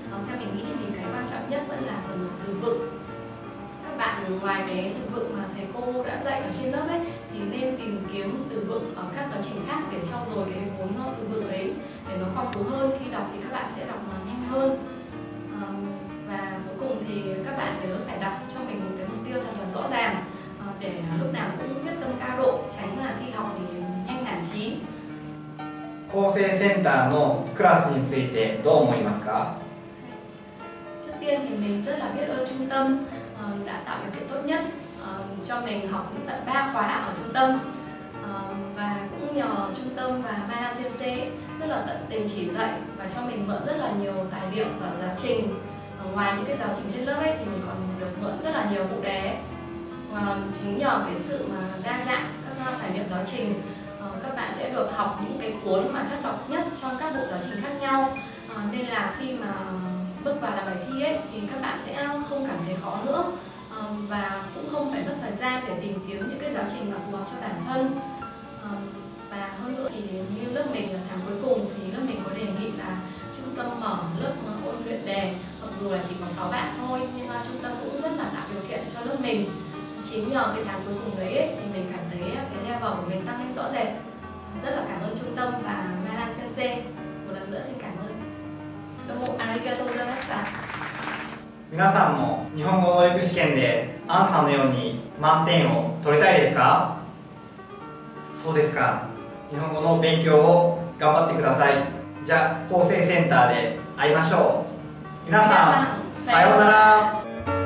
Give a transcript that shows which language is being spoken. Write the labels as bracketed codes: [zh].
[vi] Theo mình nghĩ thì cái quan trọng nhất vẫn là phần từ vựng. Các bạn ngoài cái từ vựng mà thầy cô đã dạy ở trên lớp ấy thì nên tìm kiếm từ vựng ở các giáo trình khác để trau dồi cái vốn từ vựng ấy để nó phong phú hơn. Khi đọc thì các bạn sẽ đọc nó nhanh hơn. Và cuối cùng thì các bạn nhớ phải đặt cho mình một cái mục tiêu thật là rõ ràng để lúc nào cũng quyết tâm cao độ, tránh là khi học thì nhanh nản chí. [ja] 厚生センターのクラスについてどう思いますか？ [vi] trước tiên thì mình rất là biết ơn trung tâm đã tạo điều kiện tốt nhất cho mình học những tận 3 khóa ở trung tâm, và cũng nhờ trung tâm và Mai Lan Sen Se rất là tận tình chỉ dạy và cho mình mượn rất là nhiều tài liệu và giáo trình. Ngoài những cái giáo trình trên lớp ấy thì mình còn được mượn rất là nhiều bộ đề, và chính nhờ cái sự mà đa dạng các tài liệu giáo trìnhcác bạn sẽ được học những cái cuốn mà chất lọc nhất trong các bộ giáo trình khác nhau, nên là khi mà bước vào làm bài thi ấy thì các bạn sẽ không cảm thấy khó nữa, và gian để tìm kiếm những cái giáo trình mà phù hợp cho bản thân. Và hơn nữa thì như lớp mình là tháng cuối cùng thì lớp mình có đề nghị là trung tâm mở lớp ôn luyện đề, mặc dù là chỉ có 6 bạn thôi nhưng trung tâm cũng rất là tạo điều kiện cho lớp mình. Chính nhờ cái tháng cuối cùng đấy ấy, thì mình cảm thấy cái level của mình tăng lên rõ rệt. Rất là cảm ơn trung tâm và Mai Lan Sensei. Một lần nữa xin cảm ơn. [ja] Domo arigato gozaimashita. 皆さんも日本語能力試験でアンさんのように満点を取りたいですか？そうですか。日本語の勉強を頑張ってください。じゃあ、厚生センターで会いましょう。皆さん、さようなら。